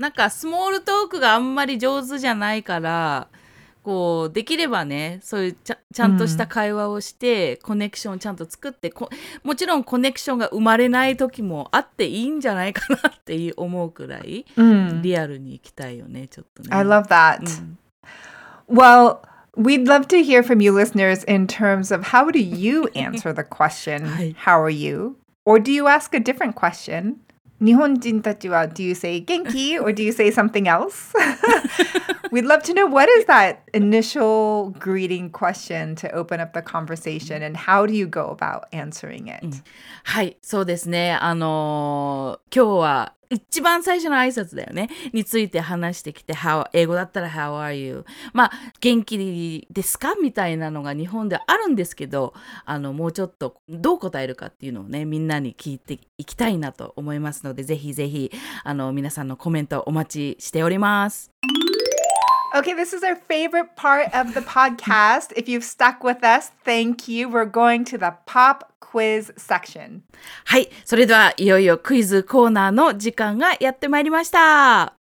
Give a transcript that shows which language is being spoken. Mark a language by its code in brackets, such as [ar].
[ja] なんかスモールトークがあんまり上手じゃないから、こうできればね、そういうちゃんとした会話をして、mm. コネクションをちゃんと作って、もちろんコネクションが生まれない時もあっていいんじゃないかなって思うくらい、 mm. リアルに行きたいよね、ちょっとね。 [en] I love that.、Mm. Well, we'd love to hear from you listeners in terms of how do you answer the question, 、 [ja] はい、 [en] how are you? Or do you ask a different question? [ja] 日本人たちは [en] do you say [ja] 元気? [en] Or do you say something else? We'd love to know what is that initial greeting question to open up the conversation and how do you go about answering it? [ja] はい、そうですね。今日は一番最初の挨拶だよね。について話してきて、英語だったら [en] How are you? [ja] まあ、元気ですかみたいなのが日本であるんですけど、もうちょっとどう答えるかっていうのをね、みんなに聞いていきたいなと思いますので、ぜひぜひ、皆さんのコメントお待ちしております。 [en] Okay, this is our favorite part of the podcast. If you've stuck with us, thank you. We're going to the pop quiz section. [ja] はい、それではいよいよクイズコーナーの時間がやってまいりました。